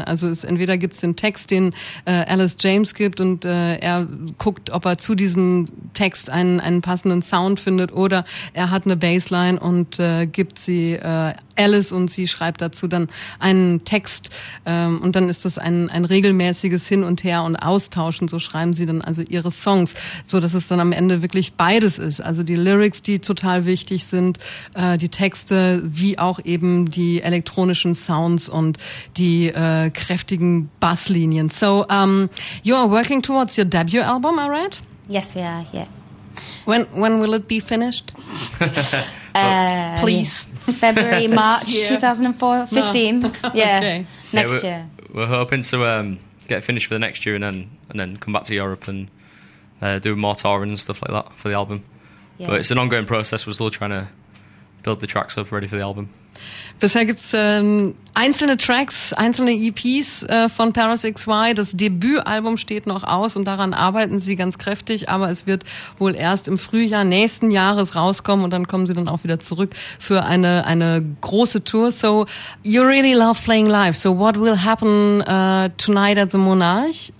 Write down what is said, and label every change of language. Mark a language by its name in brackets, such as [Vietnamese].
[German] Also entweder gibt es den Text, den Alice James gibt und er guckt, ob er zu diesem Text einen passenden Sound findet, oder er hat eine Bassline und gibt sie Alice und sie schreibt dazu dann einen Text und dann ist das ein regelmäßiges Hin und Her und Austauschen. So schreiben sie dann also ihre Songs, so dass es dann am Ende wirklich beides ist. Also die Lyrics, die total wichtig sind, die Texte, wie auch eben die elektronischen Sounds und die kräftigen Basslinien. [English] So, you are working towards your debut album, I read? Yes, we are, yeah. When will it be finished? please. February, March 2015. No. Yeah, okay. Next year. We're hoping to get finished for the next year and then come back to Europe and do more touring and stuff like that for the album. Yeah. But it's an ongoing process. We're still trying to build the tracks up ready for the album. [German] Bisher gibt's einzelne Tracks, einzelne EPs von Paris XY. Das Debütalbum steht noch aus und daran arbeiten sie ganz kräftig, aber es wird wohl erst im Frühjahr nächsten Jahres rauskommen und dann kommen sie dann auch wieder zurück für eine große Tour. [English] So, you really love playing live. So, what will happen tonight at the Monarch?